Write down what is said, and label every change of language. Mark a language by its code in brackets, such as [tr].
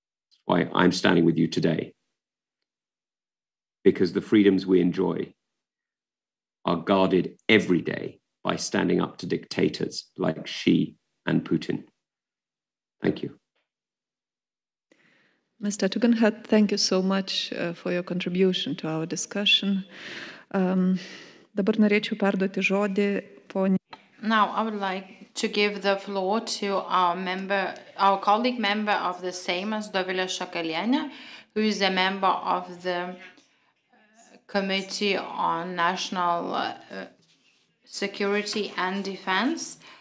[en] That's why I'm standing with you today. Because the freedoms we enjoy are guarded every day by standing up to dictators like Xi and Putin. Thank you. Mr. Tugendhat, thank you so much for your contribution to our discussion. [lt] Dabar norėčiau perduoti žodį poniai. [en] Now I would like to give the floor to our member, our colleague member of the Seimas, Dovilė Šakalienė, who is a member of the Committee on National Security and Defense.